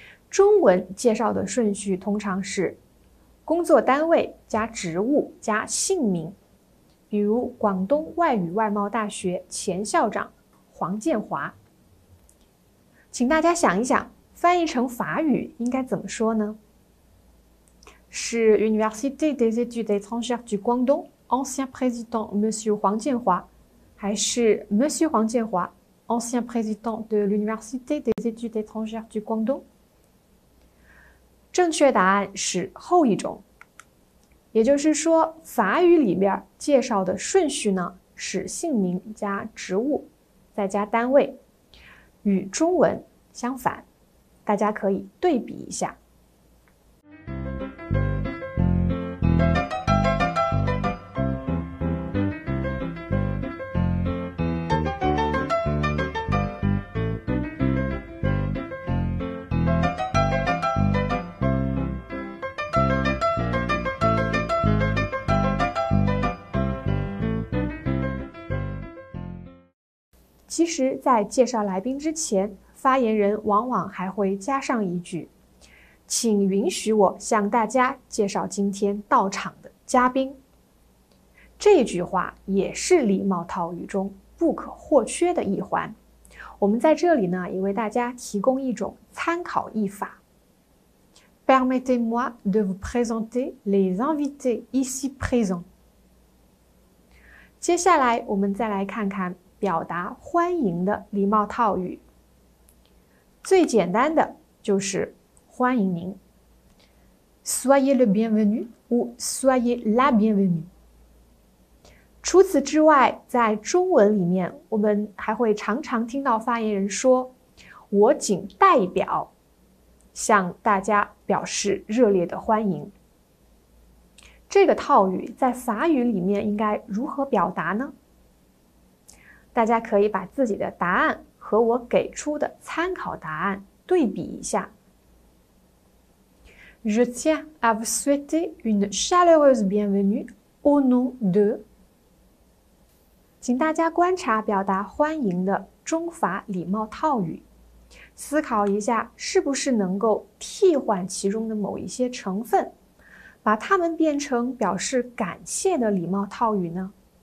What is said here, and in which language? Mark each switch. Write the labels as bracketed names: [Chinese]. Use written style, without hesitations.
[Chinese] 中文介绍的顺序通常是工作单位加职务加姓名，比如广东外语外贸大学前校长黄建华。请大家想一想。翻译成法语应该怎么说呢？ [French] 是 Université des études étrangères du Guangdong, ancien président Monsieur 黄建华，还是 Monsieur 黄建华，ancien président de l'Université des études étrangères du Guangdong？ [Chinese] 正确答案是后一种。也就是说，法语里面介绍的顺序呢，是姓名加职务，再加单位，与中文相反。大家可以对比一下。其实在介绍来宾之前，发言人往往还会加上一句，请允许我向大家介绍今天到场的嘉宾。这句话也是礼貌套语中不可或缺的一环。我们在这里呢，也为大家提供一种参考译法。 [French] Permettez-moi de vous présenter les invités ici présents. [Chinese] 接下来我们再来看看表达欢迎的礼貌套语。最简单的就是欢迎您。 [French] Soyez le bienvenu ou soyez la bienvenue. [Chinese] 除此之外，在中文里面，我们还会常常听到发言人说，我仅代表向大家表示热烈的欢迎。这个套语在法语里面应该如何表达呢？大家可以把自己的答案和我给出的参考答案对比一下。 [French] Je tiens à vous souhaiter une chaleureuse bienvenue au nom de. [Chinese] 请大家观察表达欢迎的中法礼貌套语，思考一下是不是能够替换其中的某一些成分，把它们变成表示感谢的礼貌套语呢？